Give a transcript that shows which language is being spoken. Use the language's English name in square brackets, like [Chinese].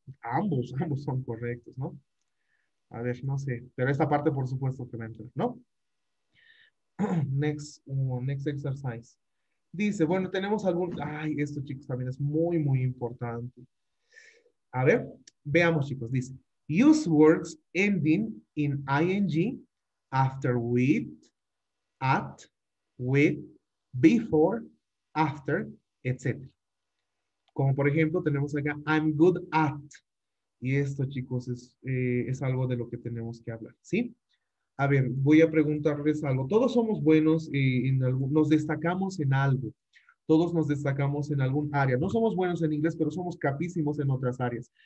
[Spanish] Ambos son correctos, ¿no? A ver, no sé. Pero esta parte, por supuesto, que va a entrar, ¿no? [English] Next exercise. [Spanish] Dice, bueno, tenemos algún... Ay, esto, chicos, también es muy, muy importante. A ver, veamos, chicos. Dice, [English] use words ending in ing after with, at, with, before, after, etc. [Spanish] Como, por ejemplo, tenemos acá, [English] I'm good at. [Spanish] Y esto, chicos, es algo de lo que tenemos que hablar, ¿sí? A ver, voy a preguntarles algo. Todos somos buenos nos destacamos en algo. Todos nos destacamos en algún área. No somos buenos en inglés, pero somos capísimos en otras áreas.